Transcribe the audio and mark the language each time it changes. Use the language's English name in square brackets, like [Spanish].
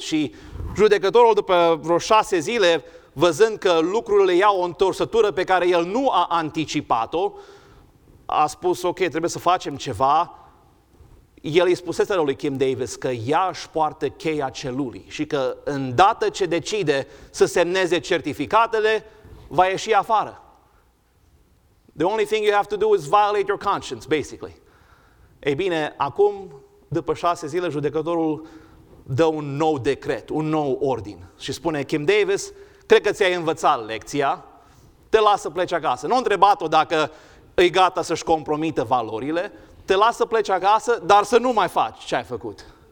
[Romanian] Și judecătorul după vreo 6 zile, văzând că lucrurile iau o întorsătură pe care el nu a anticipat-o, a spus, ok, trebuie să facem ceva, el îi spusese lui Kim Davis că ea își poartă cheia celulii și că îndată ce decide să semneze certificatele, va ieși afară. [English] The only thing you have to do is violate your conscience, basically. [Romanian] Ei bine, acum, după 6 zile, judecătorul dă un nou decret, un nou ordin și spune, Kim Davis, cred că ți-ai învățat lecția, te las să pleci acasă. Nu-a întrebat-o dacă e gata să-și compromită valorile, te las să pleci acasă, dar să nu mai faci ce ai făcut.